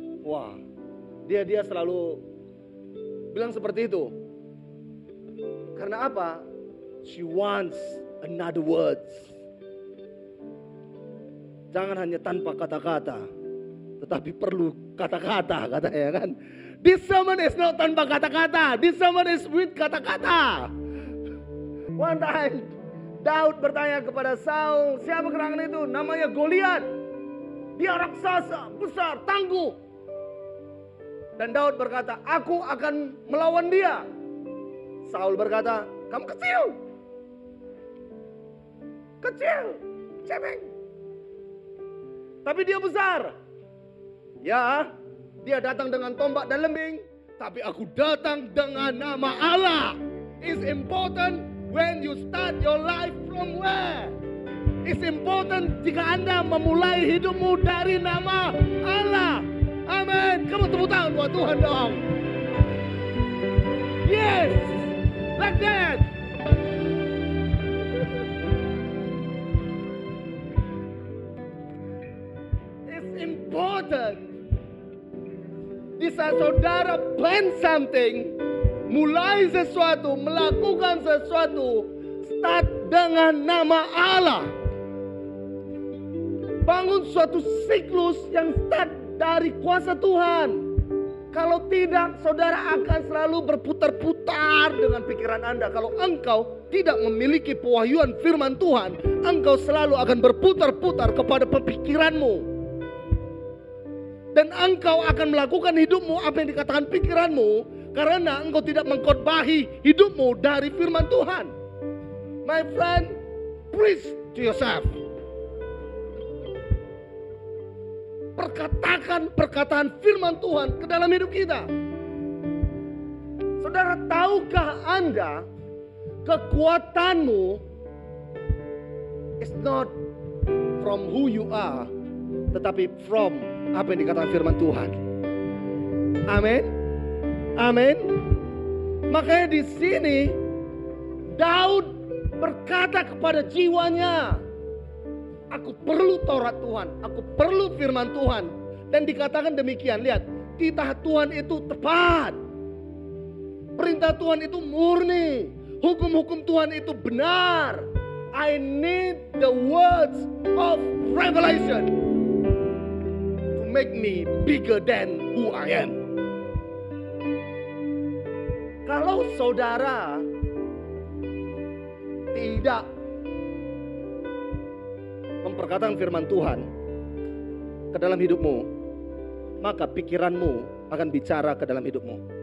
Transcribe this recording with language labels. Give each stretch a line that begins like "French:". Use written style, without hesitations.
Indonesian: Wah, dia selalu bilang seperti itu. Karena apa?
English: She wants another words.
Indonesian: Jangan hanya tanpa kata-kata, tetapi perlu kata-kata, katanya kan.
English: This sermon is not
Indonesian: tanpa kata-kata.
English: This sermon is with
Indonesian: kata-kata.
English: One time,
Indonesian: Daud bertanya kepada Saul, siapa gerangan itu? Namanya Goliat. Dia raksasa, besar, tangguh. Dan Daud berkata, aku akan melawan dia. Saul berkata, kamu kecil. Kecil, cemeng. Tapi dia besar. Ya, dia datang dengan tombak dan lembing. Tapi aku datang dengan nama Allah.
English: It's important when you start your life from where? It's important
Indonesian: jika Anda memulai hidupmu dari nama Allah. Amin. Kamu tepuk tangan buat Tuhan dong.
English: Yes. Like that. It's important.
Indonesian: Di saat saudara
English: plan something,
Indonesian: mulai sesuatu, melakukan sesuatu,
English: start
Indonesian: dengan nama Allah. Bangun suatu siklus yang
English: start
Indonesian: dari kuasa Tuhan. Kalau tidak, saudara akan selalu berputar-putar dengan pikiran Anda. Kalau engkau tidak memiliki pewahyuan firman Tuhan, engkau selalu akan berputar-putar kepada pemikiranmu. Dan engkau akan melakukan hidupmu apa yang dikatakan pikiranmu, karena engkau tidak mengkhotbahi hidupmu dari firman Tuhan.
English: My friend, preach to yourself.
Indonesian: Perkatakan perkataan firman Tuhan ke dalam hidup kita. Saudara, tahukah Anda kekuatanmu
English: is not from who you are,
Indonesian: tetapi
English: from
Indonesian: apa yang dikatakan firman Tuhan. Amin. Amin. Makanya di sini Daud berkata kepada jiwanya, aku perlu Taurat Tuhan, aku perlu firman Tuhan. Dan dikatakan demikian, lihat, titah Tuhan itu tepat. Perintah Tuhan itu murni. Hukum-hukum Tuhan itu benar.
English: I need the words of revelation to make me bigger than who I am.
Indonesian: Kalau saudara tidak memperkatakan firman Tuhan ke dalam hidupmu, maka pikiranmu akan bicara ke dalam hidupmu.